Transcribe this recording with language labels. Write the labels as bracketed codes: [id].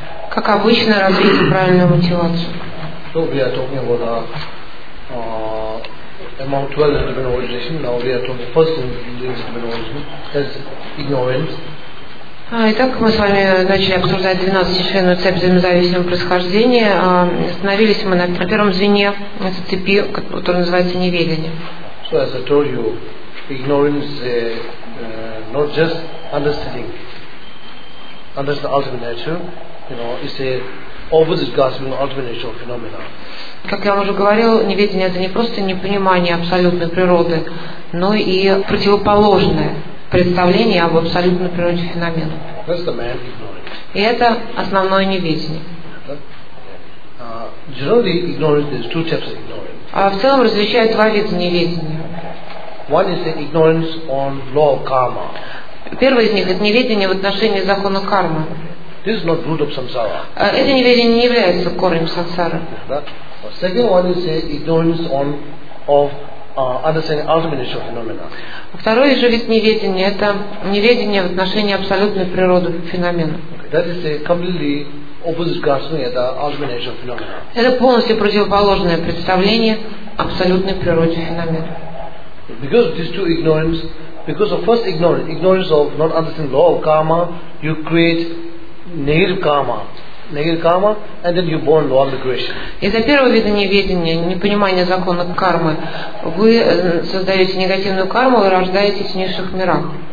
[ru] Как обычно, развить правильную мотивацию. Итак, мы с вами начали обсуждать 12-членную цепь взаимозависимого происхождения. Остановились мы на первом звене этой цепи, которая называется неведение. [en] So as I told you, ignorance is not just understanding. Understand the ultimate nature, you know, it's a opposite grasping the ultimate nature of phenomena. [ru] Как я вам уже говорил, неведение — это не просто непонимание абсолютной природы, но и противоположное представление об абсолютной природе феномена. [en] That's the main ignorance. [ru] И это основное неведение. [en] Generally, ignorance, there's two types of ignorance. [ru] А в целом различают два вида неведения. [en] One is the ignorance on law of karma. [ru] Первое из них — это неведение в отношении закона кармы. [en] This is not root of samsara. [ru] Это неведение не является корнем сансары. [en] Second one is the ignorance on of understanding ultimate nature of phenomena. [ru] Второй же вид неведения — это неведение в отношении абсолютной природы феномена. [en] That is a completely opposite grasping of the ultimate nature of phenomena. [ru] Это полностью противоположное представление абсолютной природе феномена. [en] Because of these two ignorance, because of first ignorance of not understanding law of karma, you create negative karma. [ru] Из-за первого вида неведения, непонимания закона кармы, вы создаете негативную карму и рождаетесь в низших мирах.